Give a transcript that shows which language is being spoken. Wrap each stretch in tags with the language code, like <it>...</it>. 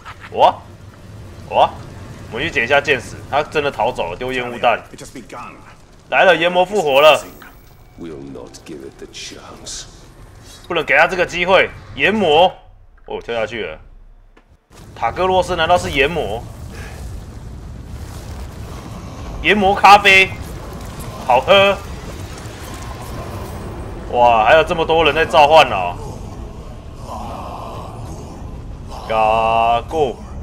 <zh>我，我，我们去捡一下箭矢。他真的逃走了，丢烟雾弹。来了，炎魔复活了。</zh> <en>Will not give it the chance.</en> <zh>不能给他这个机会，炎魔！哦，跳下去了。塔格洛斯难道是炎魔？炎魔咖啡，好喝。哇，还有这么多人在召唤呢、嘎固！</zh>